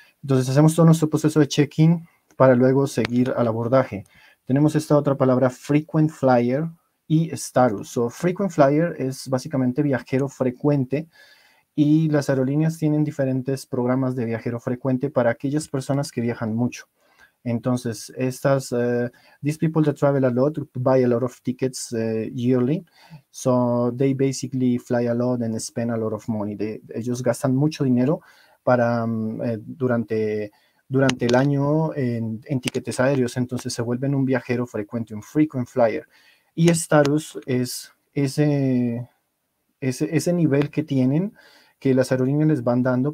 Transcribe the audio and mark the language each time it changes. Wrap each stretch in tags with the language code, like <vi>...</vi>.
<es>Entonces, hacemos todo nuestro proceso de check-in para luego seguir al abordaje. Tenemos esta otra palabra, frequent flyer, y status. So, frequent flyer es básicamente viajero frecuente, y las aerolíneas tienen diferentes programas de viajero frecuente para aquellas personas que viajan mucho. Entonces, estas,</es> <en>these people that travel a lot buy a lot of tickets yearly. So, they basically fly a lot and spend a lot of money.</en> <es>Ellos gastan mucho dinero para durante el año en tiquetes aéreos. Entonces, se vuelven un viajero frecuente, un frequent flyer. Y status es ese nivel que tienen, que las aerolíneas les van dando.</es>